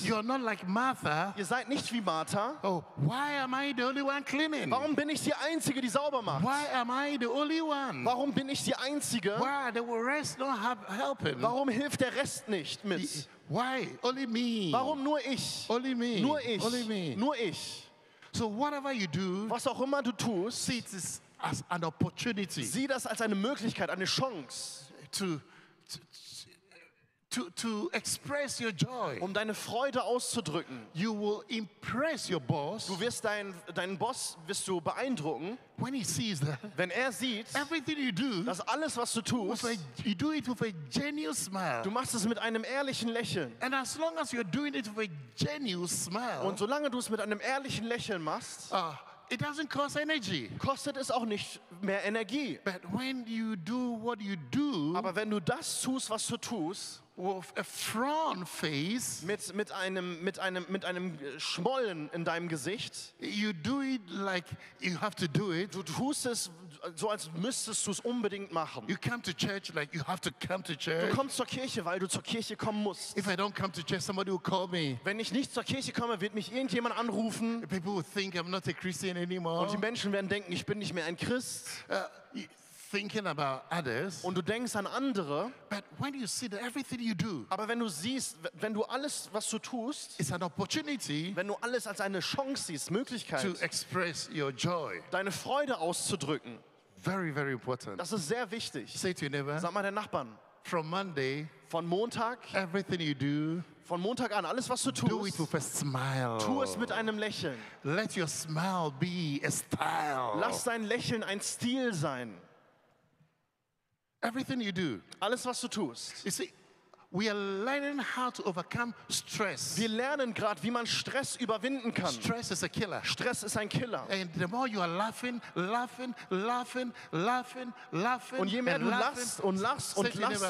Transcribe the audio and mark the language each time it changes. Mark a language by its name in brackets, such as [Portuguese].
[English] You're not like Martha. [German] Ihr seid nicht wie Martha. [English] Oh, why am I the only one cleaning? [German] Warum bin ich die Einzige, die sauber macht? [English] Why am I the only one? [German] Warum bin ich die Einzige? [English] Why the rest not helping? [German] Warum hilft der Rest nicht mit? [English] Why only me? [German] Warum nur ich? [English] Only me. [German] Nur ich. [English] Only me. [German] Nur ich. [English] So whatever you do, [German] was auch immer du tust, [English] see this as an opportunity. [German] Sieh das als eine Möglichkeit, eine Chance, [English] to express your joy, [German] um deine Freude auszudrücken. [English] You will impress your boss. [German] Du wirst deinen Boss wirst du beeindrucken. [English] When he sees that, [German] wenn er sieht, [English] everything you do, [German] dass alles was du tust, [English] you do it with a genuine smile. [German] Du machst es mit einem ehrlichen Lächeln. [English] And as long as you're doing it with a genuine smile, [German] und solange du es mit einem ehrlichen Lächeln machst, [English] it doesn't cost energy. [German] Kostet es auch nicht mehr Energie. [English] But when you do what you do, [German] aber wenn du das tust, was du tust, [English] with a frown face, [German] mit einem Schmollen in deinem Gesicht, [English] you do it like you have to do it. [German] Du tust es so, als müsstest du es unbedingt machen. [English] You come to church like you have to come to church. [German] Du kommst zur Kirche, weil du zur Kirche kommen musst. [English] If I don't come to church, somebody will call me. [German] Wenn ich nicht zur Kirche komme, wird mich irgendjemand anrufen. [English] People will think I'm not a Christian anymore. [German] Und die Menschen werden denken, ich bin nicht mehr ein Christ. [English] Thinking about others, [German] und du denkst an andere, [English] but when you see that everything you do, [German] aber wenn du siehst, wenn du alles, was du tust, [English] is an opportunity, [German] wenn du alles als eine Chance siehst, Möglichkeit, [English] to express your joy, [German] deine Freude auszudrücken, [English] very, very important. [German] Das ist sehr wichtig. [English] Say to your neighbor, [German] sag mal den Nachbarn, [English] from Monday, [German] von Montag, [English] everything you do, [German] von Montag an, alles, was du tust, [English] do it with a smile. [German] Tu es mit einem Lächeln. [English] Let your smile be a style. [German] Lass dein Lächeln ein Stil sein. [English] Everything you do, [German] alles was du tust. [English] You see, we are learning how to overcome stress. [German] Wir lernen gerade, wie man Stress überwinden kann. [English] Stress is a killer. [German] Stress ist ein Killer. [English] And the more you are laughing, laughing, laughing, laughing, laughing, [German] und je mehr du lachst und lachst und lachst,